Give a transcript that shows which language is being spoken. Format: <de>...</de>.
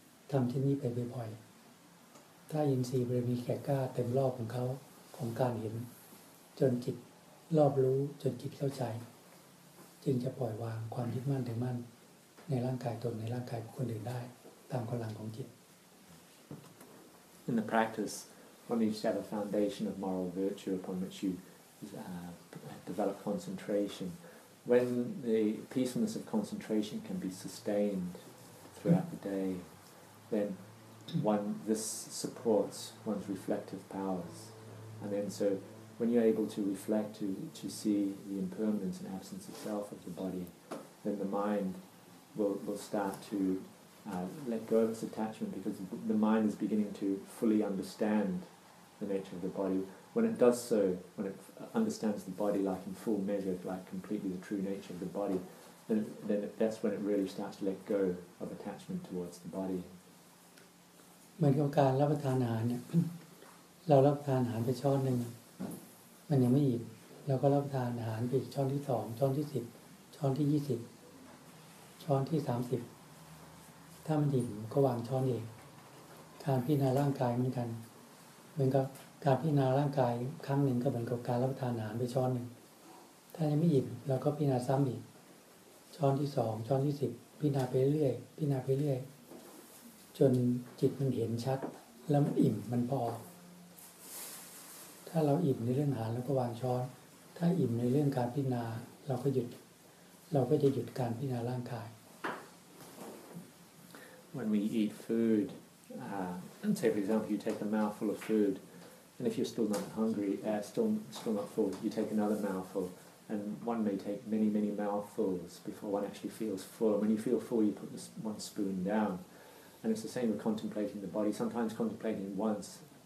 <th>ทำเช่นนี้ไปบ่อยๆถ้าอินทรีย์บารมีแก่กล้าเต็มรอบของเขาของการเห็นจนจิตรอบรู้จนจิตเข้าใจจึงจะปล่อยวางความยึดมั่นถือมั่นในร่างกายตนในร่างกายคนอื่นได้ตามกำลังของจิต</th> <en>In the practiceOne needs to have a foundation of moral virtue upon which you develop concentration. When the peacefulness of concentration can be sustained throughout the day, then this supports one's reflective powers. And then so when you're able to reflect, to see the impermanence and absence of self of the body, then the mind will start to let go of its attachment because the mind is beginning to fully understand the nature of the body. When it does so, when it understands the body like in full measure, like completely the true nature of the body, then that's when it really starts to let go of attachment towards the body.</en> <th>เหมือนกับการรับประทานอาหารเนี่ยเรารับประทานอาหารไปช้อนหนึ่งมันยังไม่อิ่มเราก็รับประทานอาหารไปช้อนที่สองช้อนที่สิบช้อนที่ยี่สิบช้อนที่สามสิบ ถ้ามันอิ่มก็วางช้อนเองการพิจารณาร่างกายเหมือนกันเหมือนกับการพิจารณาร่างกายครั้งหนึ่งก็เหมือนกับการรับประทานอาหารไปช้อนหนึ่งถ้ายังไม่อิ่มเราก็พิจารณาซ้ำอีกช้อนที่สองช้อนที่สิบพิจารณาไปเรื่อยพิจารณาไปเรื่อยจนจิตมันเห็นชัดแล้วมันอิ่มมันพอถ้าเราอิ่มในเรื่องอาหารเราก็วางช้อนถ้าอิ่มในเรื่องการพิจารณาเราก็หยุดเราก็จะหยุดการพิจารณาร่างกาย</th> <en>When we eat foodand say for example you take a mouthful of food and if you're still not hungry still not full you take another mouthful and one may take many many mouthfuls before one actually feels full and when you feel full you put this one spoon down and it's the same with contemplating the body sometimes contemplating once</en>